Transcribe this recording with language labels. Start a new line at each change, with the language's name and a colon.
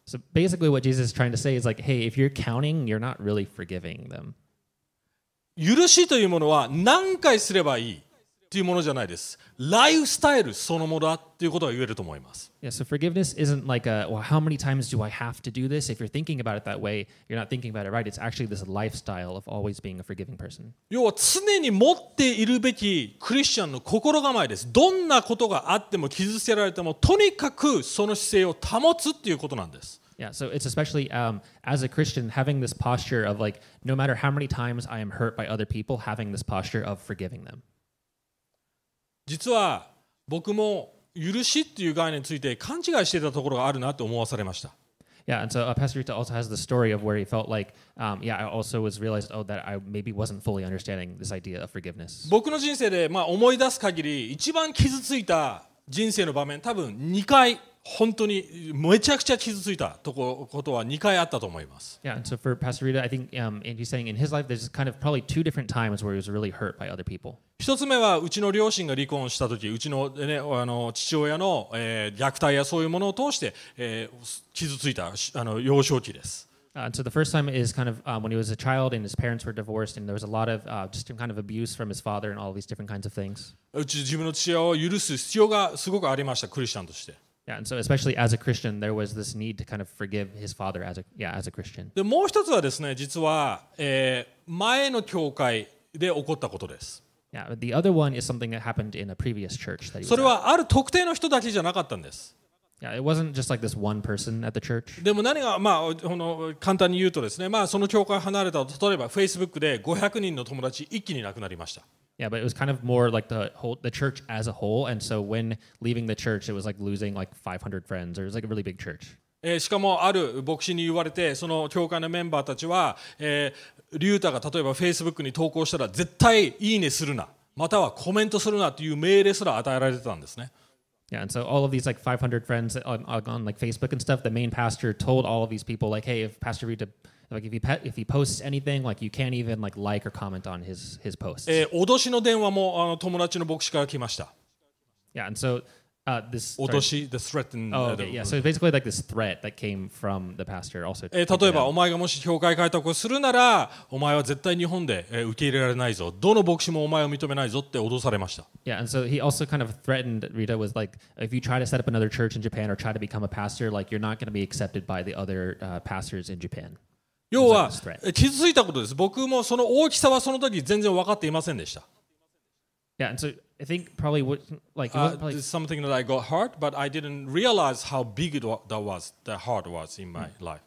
English: So basically what Jesus is trying to say is like, hey, if you're counting, you're not really forgiving them.
Japanese: 許しというものは何回すればいいというものじゃないです。ライフスタイルそのものだということが言えると思います。
English: Yeah, so forgiveness isn't like a, well, how many times do I have to do this? If you're thinking about it that way, you're not thinking about it right. It's actually this lifestyle of always being a forgiving person.
Japanese: 要は常に持っているべきクリスチャンの心構えです。どんなことがあっても傷つけられても、とにかくその姿勢を保つということなんです。
English: Yeah, so it's especially as a Christian having this posture of like, no matter how many times I am hurt by other people, having this posture of forgiving them.
Japanese: 実は僕も許しっていう概念について勘違いしてたところがあるなって思わされました。
English: Yeah, and so Pastor Rita also has the story of where he felt like, yeah, I also was realized, oh, that I maybe wasn't fully understanding this idea of forgiveness.
Japanese: 僕の人生で、まあ、思い出す限り一番傷ついた人生の場面、多分2回本当にめちゃくちゃ傷ついたことは2回あったと思います。
English: Yeah, and so for Pastor Rita, I think, and he's saying in his life, there's kind of probably two different times where he was really hurt by other people.
Japanese: 一つ目はうちの両親が離婚したとき、うち の,、ね、あの父親の、虐待やそういうものを通して、傷ついたあの幼少期です。
English: So the first time is kind of when he was a child and his parents were divorced and there was a lot of just kind of abuse from his father and all these different kinds of things.
Japanese: うち自分の父親を許す必要がすごくありました、クリスチャンとして。
English: Yeah, and so especially as a Christian, there was this need to kind of forgive his father as a, yeah, as a Christian.
Japanese: でもう一つはですね、実は、前の教会で起こったことです。
English: Yeah, but the other one is something that happened in a previous church that he was
Japanese: それはある特定の人だけじゃなかったんです。
English: Yeah, it wasn't just like this one person at the church.
Japanese: でも何が、まあ、この簡単に言うとですね、まあ、その教会離れたと、例えば Facebook で500人の友達一気に亡くなりました。
English: Yeah, but it was kind of more like the whole the church as a whole, and so when leaving the church, it was like losing like 500 friends, or it was like a really big church.
Japanese: しかもある牧師に言われて、その教会のメンバーたちは、リュータが例えば Facebook に投稿したら絶対いいねするな、またはコメントするなという命令すら与えられてたんですね。
English: Yeah, and so all of these like 500 friends on like Facebook and stuff, the main pastor told all of these people like, hey, if Pastor Rita, like if he posts anything, like you can't even like or comment on his posts.
Japanese: 脅しの電話もあの友達の牧師から来ました。
English: Yeah, and so this
Japanese: 脅し、
English: the threatened. Oh, okay, yeah. So basically, like this threat that came from the pastor also.
Japanese: 例えばお前がもし教会改革をするなら、お前は絶対日本で受け入れられないぞ。どの牧師もお前を認めないぞって脅されました。
English: Yeah, and so he also kind of threatened Rita with like, if you try to set up another church in Japan or try to become a pastor, like you're not going to be accepted by the other pastors in Japan.
Japanese: 要は傷ついたことです。僕もその大きさはその時全然分かっていませんでした。
English: Yeah, and so I think probably what like probably... something that I got hurt, but I didn't realize how big it was, that was the heart was in my life.